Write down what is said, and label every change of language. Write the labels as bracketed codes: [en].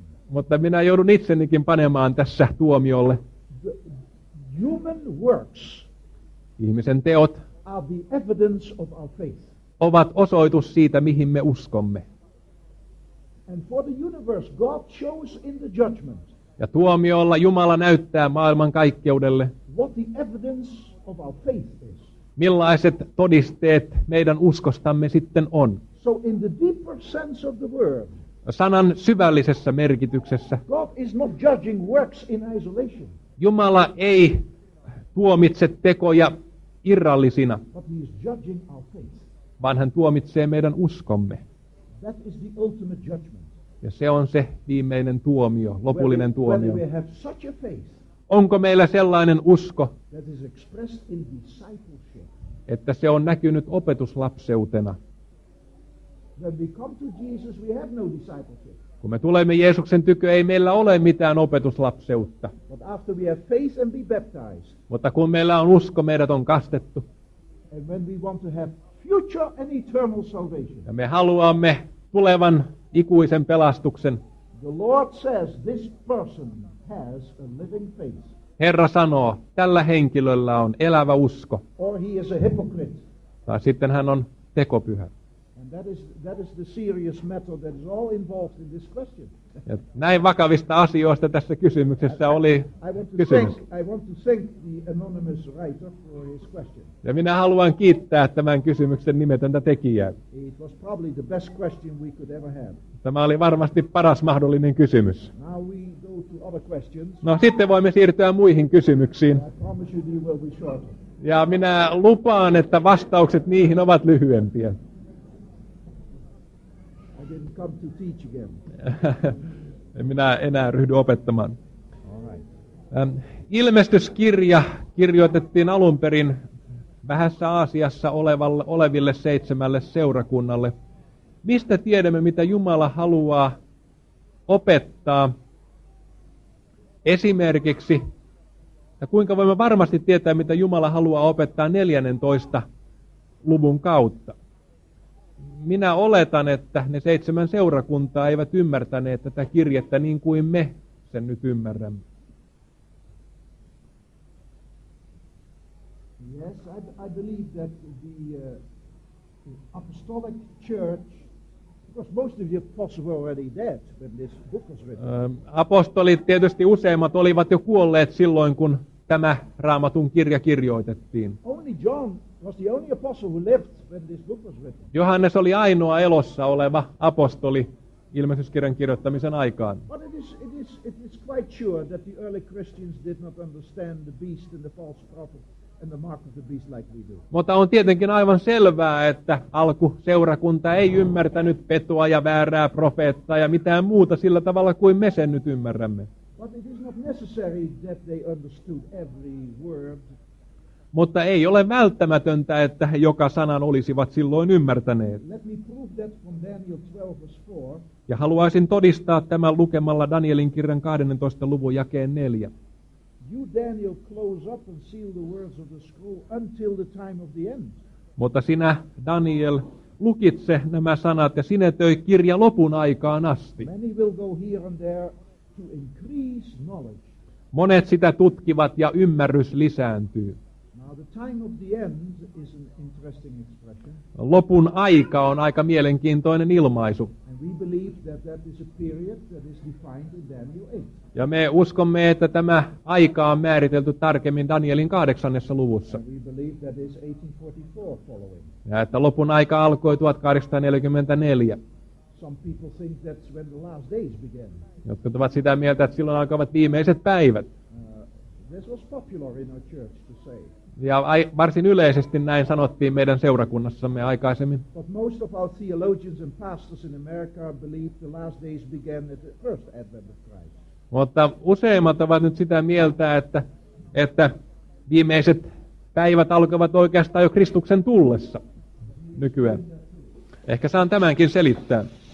[fi] Mutta minä joudun itsenikin panemaan tässä tuomiolle. [en] Human works, [fi] ihmisen teot, [en] are the evidence of our faith. [fi] Ovat osoitus siitä, mihin me uskomme. [en] And for the universe, God shows in the judgment. [fi] Ja tuomiolla Jumala näyttää maailman kaikkeudelle. [en] What the evidence of our faith is. [fi] millaiset todisteet meidän uskostamme sitten on. [en] So in the deeper sense of the word, [fi] sanan syvällisessä merkityksessä, [en] God is not judging works in isolation. [fi] Jumala ei tuomitse tekoja irrallisina, [en] but he is judging our faith. [fi] Vaan hän tuomitsee meidän uskomme. [en] That is the ultimate judgment. [fi] Ja se on se viimeinen tuomio, lopullinen tuomio. [en] Whether we have such a faith, [fi] onko meillä sellainen usko, [en] that is expressed in discipleship, [fi] että se on näkynyt opetuslapseutena? [en] When we come to Jesus, we have no discipleship. [fi] Kun me tulemme Jeesuksen tykö, ei meillä ole mitään opetuslapseutta. [en] But after we have faith and be baptized, [fi] mutta kun meillä on usko, meidät on kastettu. [en] And when we want to have future and eternal salvation, [fi] ja me haluamme tulevan ikuisen pelastuksen. [en] The Lord says, this person has a living faith. [fi] Herra sanoo, tällä henkilöllä on elävä usko. [en] Or he is a hypocrite. [fi] Tai sitten hän on tekopyhä. [en] And that is the serious matter that is all involved in this question. [fi] Ja näin vakavista asioista tässä kysymyksessä oli kysymys. [en] I want to thank the anonymous writer for his question. [fi] Ja minä haluan kiittää tämän kysymyksen nimetöntä tekijää. [en] It was probably the best question we could ever have. [fi] Tämä oli varmasti paras mahdollinen kysymys. [en] Now we go to other questions. [fi] No sitten voimme siirtyä muihin kysymyksiin. [en] I promise you they will be shorter. [fi] Ja minä lupaan, että vastaukset niihin ovat lyhyempiä. [en] Come to teach again. [fi] En minä enää ryhdy opettamaan. [en] All right. [fi] Ilmestyskirja kirjoitettiin alun perin vähässä Aasiassa oleville seitsemälle seurakunnalle. Mistä tiedämme, mitä Jumala haluaa opettaa esimerkiksi? Ja kuinka voimme varmasti tietää, mitä Jumala haluaa opettaa 14 luvun kautta? Minä oletan, että ne seitsemän seurakuntaa eivät ymmärtäneet tätä kirjettä niin kuin me sen nyt ymmärrämme. [en] Yes, I believe that the apostolic church, because most of the apostles were already dead when this book was written. [fi] Apostolit tietysti useimmat olivat jo kuolleet silloin, kun tämä Raamatun kirja kirjoitettiin. [en] Only John was the only apostle who lived when this book was written. [fi] Johannes oli ainoa elossa oleva apostoli ilmestyskirjan kirjoittamisen aikaan. [en] But it is quite sure that the early Christians did not understand the beast and the false prophet and the mark of the beast like we do. [fi] Mutta on tietenkin aivan selvää, että alkuseurakunta ei ymmärtänyt petoa ja väärää profeettaa ja mitään muuta sillä tavalla kuin me sen nyt ymmärrämme. [en] But it is not necessary that they understood every word. [fi] Mutta ei ole välttämätöntä, että he joka sanan olisivat silloin ymmärtäneet. [en] Let me prove that from Daniel 12, verse 4. [fi] Ja haluaisin todistaa tämän lukemalla Danielin kirjan 12. luvun jakeen 4. [en] You Daniel close up and seal the words of the scroll until the time of the end. [fi] Mutta sinä Daniel lukitse nämä sanat ja sinetöi kirja lopun aikaan asti. [en] Many will go here and there to increase knowledge. [fi] Monet sitä tutkivat ja ymmärrys lisääntyy. [en] Now the time of the end is an interesting expression. [fi] Lopun aika on aika mielenkiintoinen ilmaisu. [en] And we believe that that is a period that is defined in Daniel 8. [fi] Ja me uskomme, että tämä aika on määritelty tarkemmin Danielin 8. luvussa. [en] And we believe that is 1844 following. [fi] Ja että lopun aika alkoi 1844. [en] Some people think that's when the last days began. [fi] Jotkut ovat sitä mieltä, että silloin alkavat viimeiset päivät. [en] This was popular in our church to say. [fi] Ja varsin yleisesti näin sanottiin meidän seurakunnassamme aikaisemmin. [en] But most of our theologians and pastors in America believe the last days began at the first advent of Christ. [fi] Mutta useimmat ovat nyt sitä mieltä, että viimeiset päivät alkavat oikeastaan jo Kristuksen tullessa nykyään. Ehkä saan tämänkin selittää.